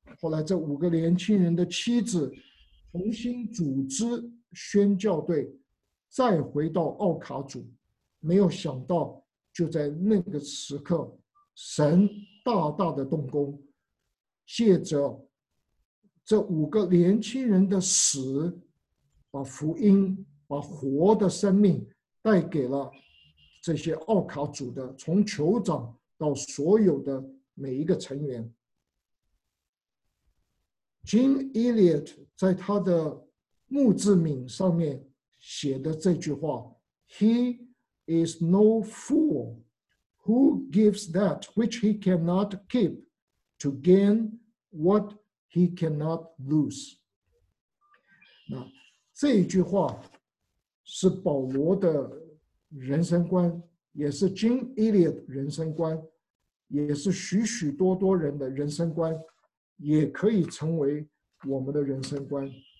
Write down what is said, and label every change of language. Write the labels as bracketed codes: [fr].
[zh] 后来这五个年轻人的妻子重新组织宣教队再回到奥卡祖，没有想到就在那个时刻神大大的动工，借着这五个年轻人的死，把福音把活的生命带给了这些奥卡祖的从酋长到所有的每一个成员。 [en] Jim Elliot [zh] 在他的墓志铭上面写的这句话 [en] He is no fool who gives that which he cannot keep to gain what he cannot lose。 [zh] 那这一句话是保罗的人生观，也是 Jim Elliot 人生观，也是许许多多人的人生观，也可以成为我们的人生观。